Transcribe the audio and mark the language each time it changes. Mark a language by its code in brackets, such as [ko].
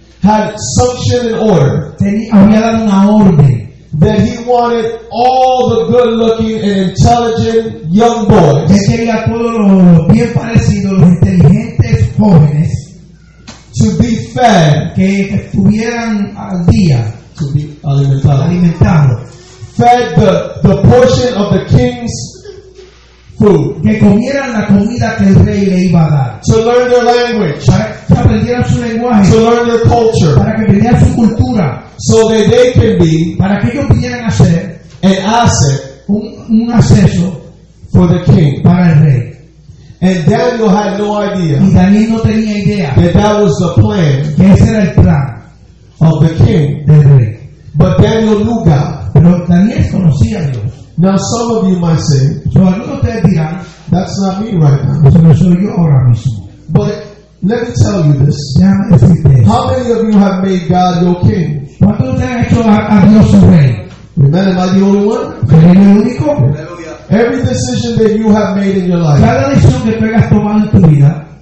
[en] had sanctioned an order. [es] Había dado una orden. [en] That he wanted all the good-looking and intelligent young boys. [es] Él quería todos los bien parecidos, los inteligentes jóvenes, [en] to be fed, [es] que estuvieran al día, [en] to be alimentado, [es] alimentado, [en] fed the portion of the king's food, [es] que comieran la comida que el rey le iba a dar, [en] to learn their language, [es] para que aprendieran su lenguaje, [en] to learn their culture, [es] para que aprendieran su cultura. [en] So that they can be, [es] para que ellos pudieran hacer [en] an asset, [es] un acceso [en] for the king, [es] para el rey. [en] And Daniel had no idea, [es] y Daniel no tenía idea, [en] that was the plan, [es] que ese era el plan [en] of the king, [es] del rey. [en] But Daniel knew God. [es] Pero Daniel conocía a Dios. [en] Now some of you might say, [es] so algunos de ustedes dirán, [en] that's not me right now. [es] Eso no soy yo ahora mismo. [en] But let me tell you this. How many of you have made God your king? [es] ¿Cuántos de ustedes han hecho a Dios su rey? [en] Remember, am I the only one? [es] ¿Eres el único? [en] Every decision that you have made in your life, [es] cada decisión que tú hayas tomado en tu vida,